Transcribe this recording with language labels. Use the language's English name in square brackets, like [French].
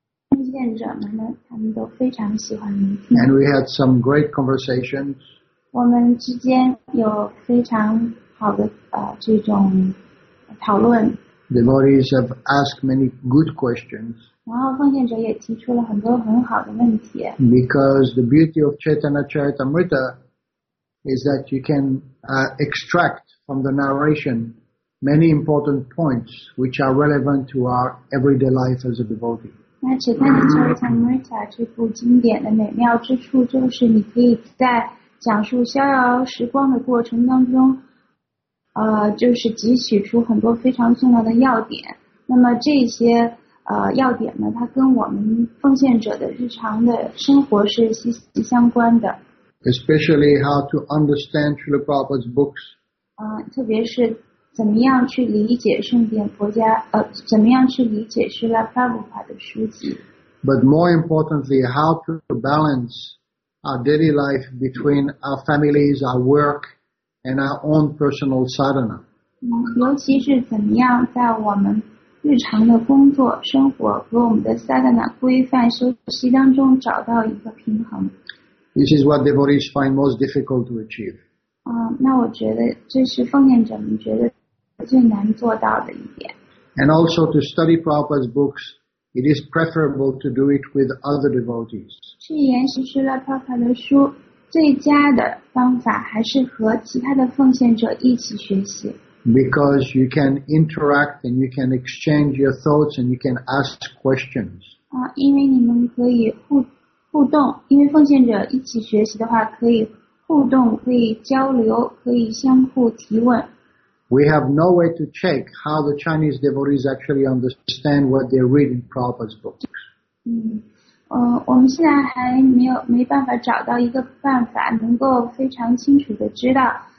[Chinese] 奉献者们呢，他们都非常喜欢聆听。 [English] And we had some great conversations. [Chinese] 我们之间有非常好的这种讨论。 [English] Devotees have asked many good questions. [Chinese] 然后奉献者也提出了很多很好的问题。 [English] Because the beauty of Chaitanya Charitamrita is that you can extract from the narration many important points which are relevant to our everyday life as a devotee. [Chinese] 那 Chaitanya Charitamrita 这部经典的美妙之处就是你可以在讲述逍遥时光的过程当中就是汲取出很多非常重要的要点。那么这些要点呢，它跟我们奉献者的日常的生活是息息相关的。 [English] Especially how to understand Srila Prabhupada's books. [Chinese] 特别是怎么样去理解圣典佛家，怎么样去理解 Srila Prabhupada 的书籍。 [English] But more importantly, how to balance our daily life between our families, our work, and our own personal sadhana. [Chinese] 尤其是怎么样在我们日常的工作生活和我们的 sadhana 规范修习当中找到一个平衡。 [English] This is what devotees find most difficult to achieve. [Chinese] 那我觉得这是奉献者们觉得最难做到的一点。 [English] And also to study Prabhupada's books, it is preferable to do it with other devotees. [Chinese] 去研习师了 Prabhupada 的书，最佳的方法还是和其他的奉献者一起学习。 [English] Because you can interact and you can exchange your thoughts and you can ask questions. [Chinese] 因为你们可以互动，因为奉献者一起学习的话，可以互动，可以交流，可以相互提问。 [English] We have no way to check how the Chinese devotees actually understand what they read in Prabhupada's books. [Chinese] 我们现在还没办法找到一个办法，能够非常清楚的知道。